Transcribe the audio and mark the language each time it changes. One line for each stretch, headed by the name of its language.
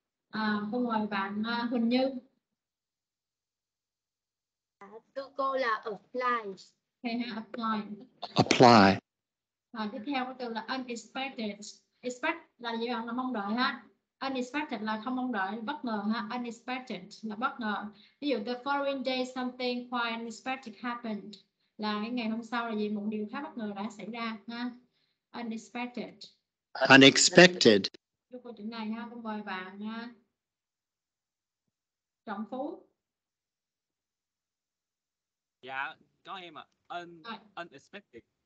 Vietnamese: À, cô mời bạn Huỳnh Như. Tôi cô là apply.
English: Okay, ha, apply. Apply.
Vietnamese: À, tiếp theo của từ là unexpected. Expect là gì bạn, là mong đợi ha. Unexpected là không mong đợi, bất ngờ ha. Unexpected là bất ngờ. Ví dụ,
English: the following day something quite unexpected happened.
Vietnamese: Là cái ngày hôm sau là gì, một điều khá bất ngờ đã xảy ra ha.
English: Unexpected. Unexpected.
Vietnamese: Câu chữ này ha, cô mời bạn ha. Trọng Phú. Dạ, có em ạ. Unexpected.